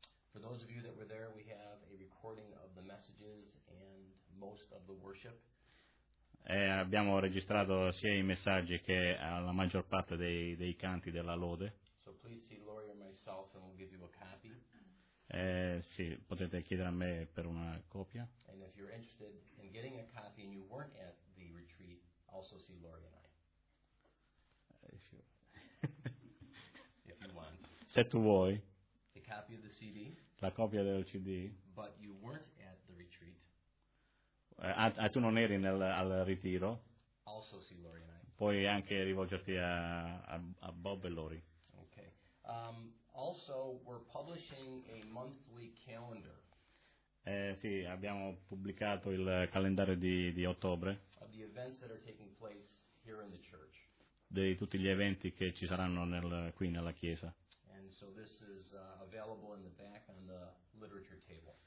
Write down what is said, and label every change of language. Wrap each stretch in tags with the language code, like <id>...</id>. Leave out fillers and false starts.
<en>For those of you that were there, we have a recording of the messages and most of the worship.</en> <it>E abbiamo registrato sia i messaggi che la maggior parte dei canti della lode.</it> <en>So please see Lori or myself and we'll give you a copy.</en> <it>Sì, potete chiedere a me per una copia.</it> <en>And if you're interested in getting a copy and you weren't at the retreat, also see Lori and I. If you want.</en> <it>Se tu vuoi.</it> <en>A copy of the CD.</en> <it>La copia del CD.</it> <en>But you weren't at the retreat.</en> <it>Tu non eri al ritiro.</it> <en>Also see Lori and I.</en> <it>Puoi anche rivolgerti a Bob e Lori.</it> <en>Okay. Also, we're publishing a monthly calendar.</en> <it>Sì, abbiamo pubblicato il calendario di ottobre.</it> <en>Of the events that are taking place here in the church.</en> <it>Di tutti gli eventi che ci saranno qui nella chiesa.</it> <en>And so this is available in the back on the literature table.</en>